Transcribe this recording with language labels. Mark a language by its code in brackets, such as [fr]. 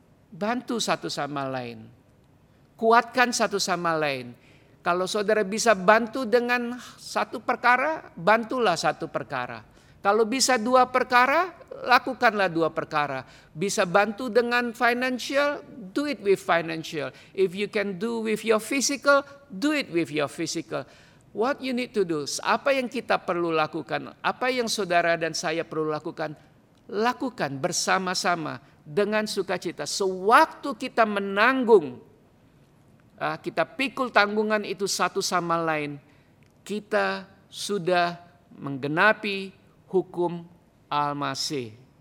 [id] Bantu satu sama lain. Kuatkan satu sama lain. Kalau saudara bisa bantu dengan satu perkara, bantulah satu perkara. Kalau bisa dua perkara, lakukanlah dua perkara. Bisa bantu dengan financial, [en] do it with financial. If you can do with your physical, do it with your physical. What you need to do, [id] apa yang kita perlu lakukan, apa yang saudara dan saya perlu lakukan, lakukan bersama-sama dengan sukacita. Sewaktu kita menanggung, kita pikul tanggungan itu satu sama lain, kita sudah menggenapi hukum Almasih.